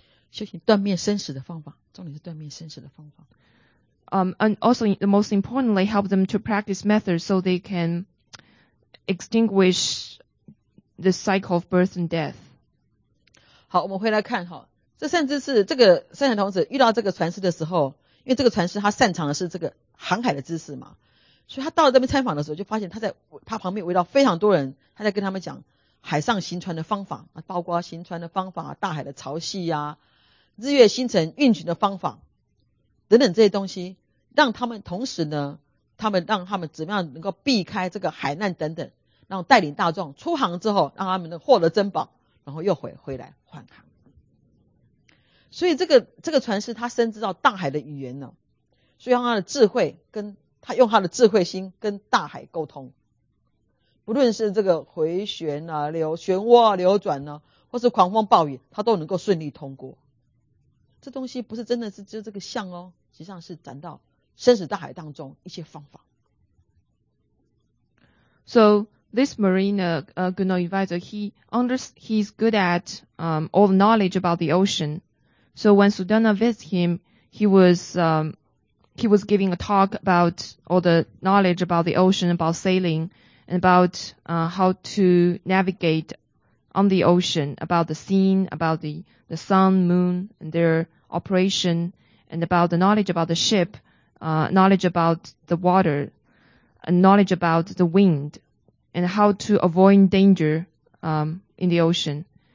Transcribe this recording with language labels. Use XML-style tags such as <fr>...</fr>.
<zh>修行断灭生死的方法，重点是断灭生死的方法。</zh> <en>And also the most importantly, help them to practice methods so they can extinguish the cycle of birth and death.</en> <zh>好，我们回来看哈，这甚至是这个善财童子遇到这个传师的时候，因为这个传师他擅长的是这个航海的知识嘛。所以他到了这边参访的时候，就发现他旁边围绕非常多人，他在跟他们讲海上行船的方法，包括行船的方法、大海的潮汐啊、日月星辰运行的方法等等这些东西，让他们同时呢，让他们怎么样能够避开这个海难等等，然后带领大众出航之后，让他们获得珍宝，然后又回来换航。所以这个船师他深知到大海的语言呢，所以用他的智慧跟他用他的智慧心跟大海沟通，不论是这个回旋啊、流转啊，或是狂风暴雨，他都能够顺利通过。这东西不是真的是就这个像哦，实际上是展到生死大海当中一些方法。</zh> <en>So this marine gunnel advisor, he's good at all knowledge about the ocean. So when Sudarna visited him, he was giving a talk about all the knowledge about the ocean, about sailing, and about how to navigate on the ocean, about the scene, about the sun, moon, and their operation, and about the knowledge about the ship, knowledge about the water, and knowledge about the wind, and how to avoid danger in the ocean.</en>